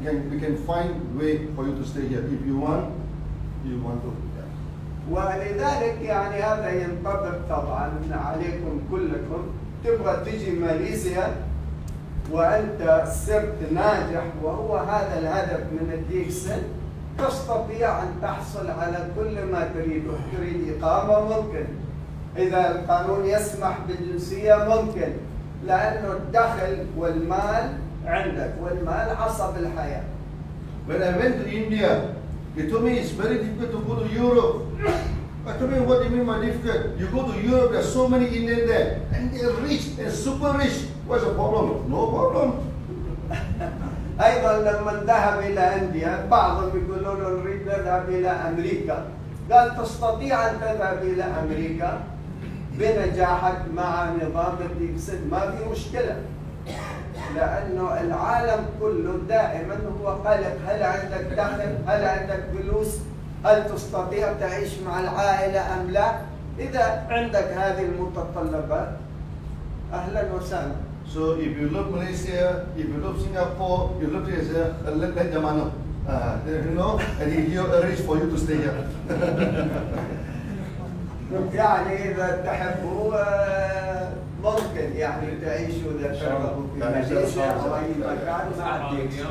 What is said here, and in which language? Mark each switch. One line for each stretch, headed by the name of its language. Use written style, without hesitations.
English: We can find way for you to stay here. If you want, you want to.
Arabic: ولذلك يعني هذا ينطبق طبعا عليكم كلكم تبغى تجي ماليزيا وأنت صرت ناجح وهو هذا الهدف من DAXEN تستطيع أن تحصل على كل ما تريده. تريد إقامة ممكن, إذا القانون يسمح بالجنسية ممكن, لأنه الدخل والمال عندك والمال عصب الحياة.
English: When I went to India, he told me it's very difficult to go to Europe. I told him, what do you mean by difficult? You go to Europe, there are so many Indians there, and they're rich and super rich. What's the problem? No problem.
Arabic: أيضا لما ذهب إلى إنديا بعضهم يقولون نريد نذهب إلى أمريكا. قال تستطيع أن تذهب إلى أمريكا بنجاحك مع نظام الديكسن، ما في مشكلة، لأنه العالم كله دائما هو قلق، هل عندك دخل؟ هل عندك فلوس؟ هل تستطيع تعيش مع العائلة أم لا؟ إذا عندك هذه المتطلبات أهلاً وسهلاً.
English: So if you look Malaysia, if you look Singapore, you look here, like the man, you know, and he here arranged for you to stay here.
Arabic: يعني إذا تحبوا ممكن يعني تعيشوا إذا تحبوا في Malaysia أو أي مكان ما عندك.